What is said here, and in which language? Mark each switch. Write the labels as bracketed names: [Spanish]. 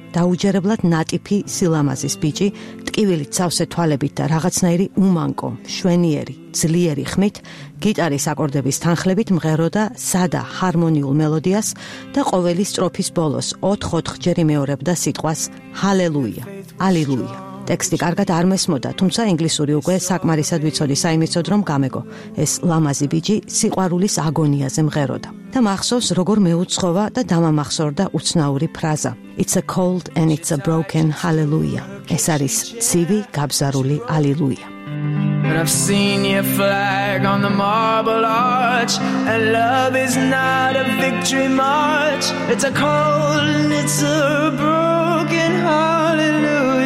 [Georgian] დაუჯერებლად ნატიფი სილამაზის ბიჭი, ტკივილით სავსე თვალებით და რაღაცნაირი უმანკო, შვენიერი, ძლიერი ხმით, გიტარის აკორდების თანხლებით მღეროდა სადა ჰარმონიულ მელოდიას და ყოველი სტროფის ბოლოს 4-5 ჯერ იმეორებდა სიტყვას ჰალელუია, ალილუია. ტექსტი კარგად არ მესმოდა, თუმცა ინგლისური უკვე საკმარისად ვიცოდი, საიმიცოდ რომ გამეგო. ეს ლამაზი ბიჭი სიყვარულის აგონიაზე მღეროდა. და მახსოვს, როგორ მეუცხოვა და დამამახსოვრდა უცნაური ფრაზა. [English] It's a cold and it's a broken hallelujah. [Georgian] ეს არის ცივი, გაბზარული ალილუია. [English] But I've seen your flag on the marble arch and love is not a victory march. It's a cold and it's a broken hallelujah.